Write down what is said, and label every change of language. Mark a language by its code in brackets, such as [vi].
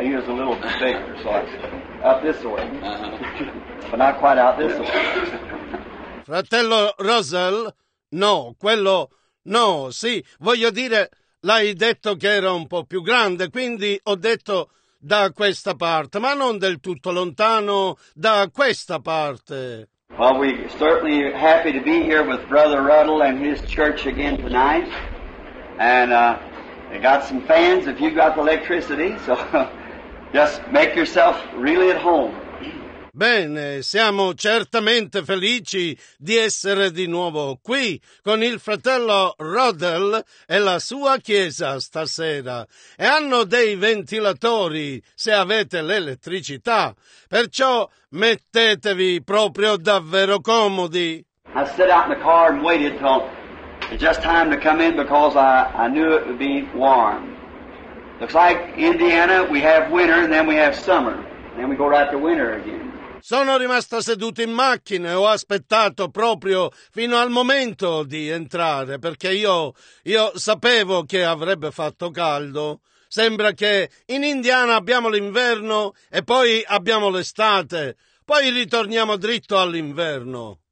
[en] He was a little bit bigger, so up this way, but not quite out this way. [it] Fratello Russell, no, quello no, sì, voglio dire, l'hai detto che era un po' più grande, quindi ho detto da questa parte, ma non del tutto lontano da questa parte. [en] Well, we're certainly happy to be here with Brother Ruddle and his church again tonight, and we got some fans if you got the electricity, so just make yourself really at home. [it] Bene, siamo certamente felici di essere di nuovo qui con il fratello Rodel e la sua chiesa stasera. E hanno dei ventilatori, se avete l'elettricità. Perciò mettetevi proprio davvero comodi. [en] I sat out in the car and waited till just time to come in because I knew it would be warm. Looks like Indiana we have winter and then we have summer. Then we go right to winter again. [it] Sono rimasto seduto in macchina e ho aspettato proprio fino al momento di entrare, perché io sapevo che avrebbe fatto caldo. Sembra che in Indiana abbiamo l'inverno e poi abbiamo l'estate, poi ritorniamo dritto all'inverno.